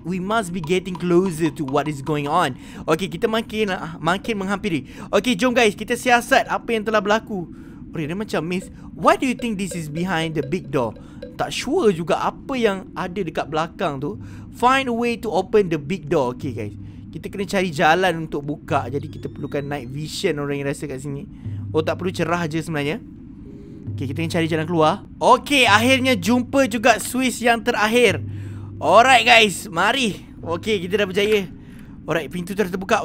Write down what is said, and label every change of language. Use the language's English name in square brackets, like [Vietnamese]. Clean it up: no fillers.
[English] We must be getting closer to what is going on. Okay, [Malay] kita makin menghampiri. Okay, jom guys, kita siasat apa yang telah berlaku. Okay, dia macam miss. [English] Why do you think this is behind the big door? [Malay] Tak sure juga apa yang ada dekat belakang tu. [English] Find a way to open the big door. [Malay] Okay guys, kita kena cari jalan untuk buka. Jadi kita perlukan night vision orang yang rasa kat sini. Oh, tak perlu cerah je sebenarnya. Okay, kita kena cari jalan keluar. Okay, akhirnya jumpa juga Swiss yang terakhir. Alright guys, mari. Okay, kita dah berjaya. Alright, pintu dah terbuka.